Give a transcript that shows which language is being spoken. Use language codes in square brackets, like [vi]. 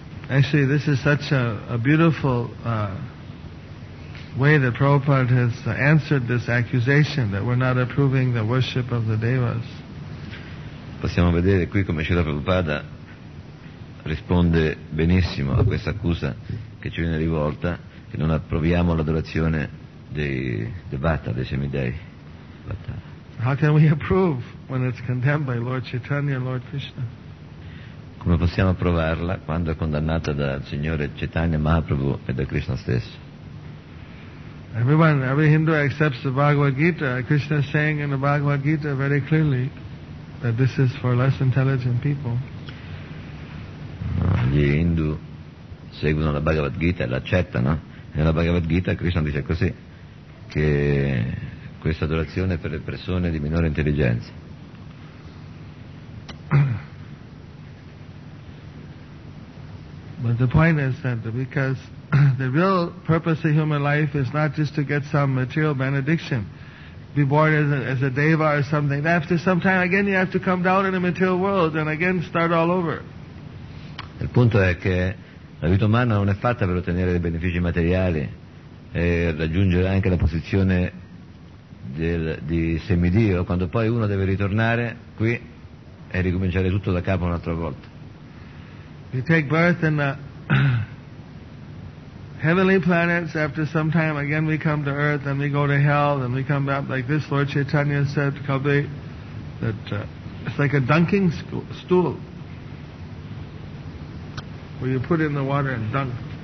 [en] Actually, this is such a beautiful way that Prabhupada has answered this accusation that we're not approving the worship of the devas. [it] Possiamo vedere qui come Srila Prabhupada risponde benissimo a questa accusa che ci viene rivolta, che non approviamo l'adorazione dei Vata, dei semidei. [en] How can we approve when it's condemned by Lord Chaitanya and Lord Krishna? [it] Come possiamo approvarla quando è condannata dal Signore Chaitanya Mahaprabhu e da Krishna stesso? [en] Everyone, every Hindu accepts the Bhagavad Gita. Krishna is saying in the Bhagavad Gita very clearly that this is for less intelligent people. [it] Gli Hindu seguono la Bhagavad Gita e l'accettano. Nella Bhagavad Gita Krishna dice così, che questa adorazione è per le persone di minore intelligenza. [en] But the point is that because the real purpose of human life is not just to get some material benediction, be born as a deva or something. After some time, again, you have to come down in the material world and again start all over. [it] Il punto è che la vita umana non è fatta per ottenere dei benefici materiali e raggiungere anche la posizione di semidio, quando poi uno deve ritornare qui e ricominciare tutto da capo un'altra volta. [en] You take birth in the heavenly planets, after some time again we come to earth, then we go to hell, then we come back, like this Lord Chaitanya said to Kabir, that it's like a dunking stool, where you put in the water and dunk.